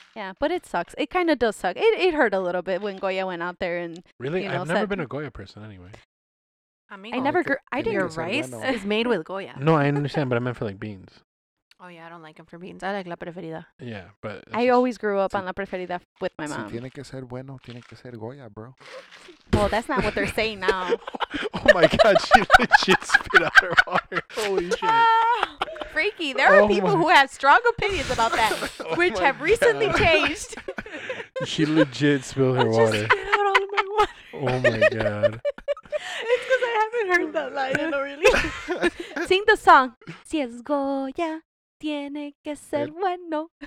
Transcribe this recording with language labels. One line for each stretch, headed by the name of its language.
English: Yeah. But it sucks. It kind of does suck. It hurt a little bit when Goya went out there and. Really? You know, I've never been a Goya person anyway. I mean, I didn't. Your rice is made with Goya. No, I understand, but I meant for like beans. Oh, yeah. I don't like them for beans. I like La Preferida. Yeah. But I always grew up on La Preferida with my mom.
Spanish: Si tiene que ser bueno, tiene que ser Goya, bro.
English: Well, that's not what they're saying now. Oh my God, she legit spit out her water. Holy shit. Freaky. There are people who have strong opinions about that, which have recently changed. She legit spilled her water. I just spit out all of my water. Oh my God. It's because I haven't heard that line in a really. Sing the song.
Spanish: Si es Goya, tiene que ser bueno.